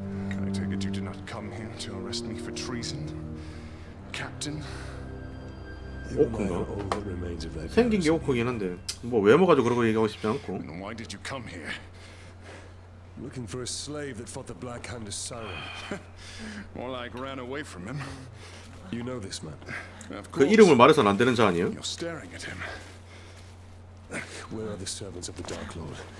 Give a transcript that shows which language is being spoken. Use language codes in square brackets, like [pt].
[en] I take it you did not come here to arrest me for treason, Captain. [ko] 오크인가? 생긴 게 오크긴 한데 뭐 외모 가지고 그런 거 얘기하고 싶지 않고. [en] And why did you come here? Looking for a slave that fought the Black Hand of Sauron. More like ran away from him. You know this man. [ko] 그 이름을 말해서는 안 되는 자 아니에요? [en] You're staring at him. Where are the servants of the Dark Lord?